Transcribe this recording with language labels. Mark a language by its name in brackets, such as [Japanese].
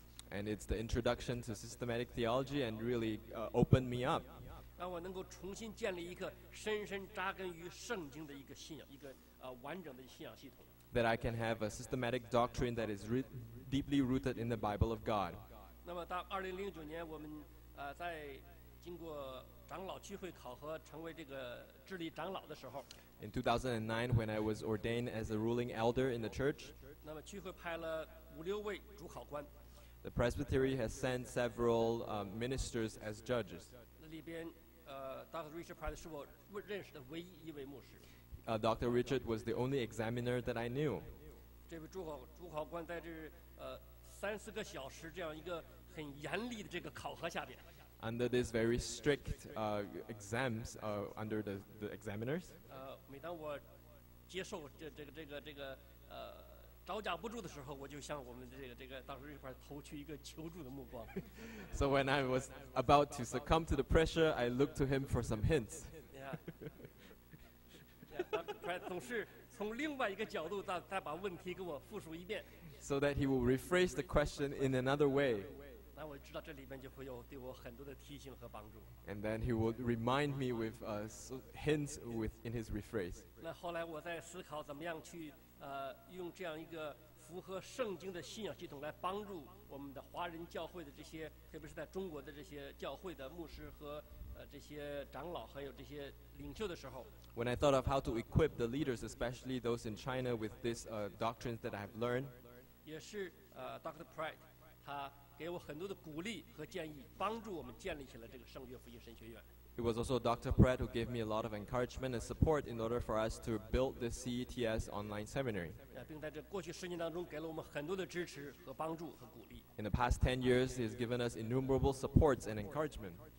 [English] And it's the introduction to systematic theology and really opened me up. [Chinese] 让我能够重新建立一个深深扎根于圣经的一个信仰，一个完整的信仰系统。 [English] That I can have a systematic doctrine that is deeply rooted in the Bible of God. [Chinese] 那么到2009年，我们在经过长老聚会考核成为这个治理长老的时候 [English] ，In 2009, when I was ordained as a ruling elder in the church, [Chinese] 那么聚会派了五六位主考官。 [English] The presbytery has sent several ministers as judges. [Chinese] 里边，Dr. Richard Pratt 是我认识的唯一一位牧师。 [English] Dr. Richard was the only examiner that I knew. [Chinese] 这位主考官在这三四个小时这样一个很严厉的这个考核下边。 [English] Under these very strict exams, under the examiners. [Chinese] 每当我接受这个招架不住的时候，我就向我们的这个 Dr. Richard Pratt 投去一个求助的目光。 [English] So when I was about to succumb to the pressure, I looked to him for some hints. [Chinese] Yeah. Pratt 总是从另外一个角度再把问题给我复述一遍。 [English] So that he will rephrase the question in another way. [Chinese] 那我知道这里面就会有对我很多的提醒和帮助。 [English] And then he would remind me with hints in his rephrase. [Chinese] 那后来我在思考怎么样去。用这样一个符合圣经的信仰系统来帮助我们的华人教会的这些，特别是在中国的这些教会的牧师和这些长老还有这些领袖的时候 [English] ，When I thought of how to equip the leaders, especially those in China, with this doctrines that I have learned， [Chinese] 也是Dr. Pratt 他给我很多的鼓励和建议，帮助我们建立起了这个圣约福音神学院。 [English] It was also Dr. Pratt who gave me a lot of encouragement and support in order for us to build the CETS online seminary. In the past 10 years, he has given us innumerable supports and encouragement.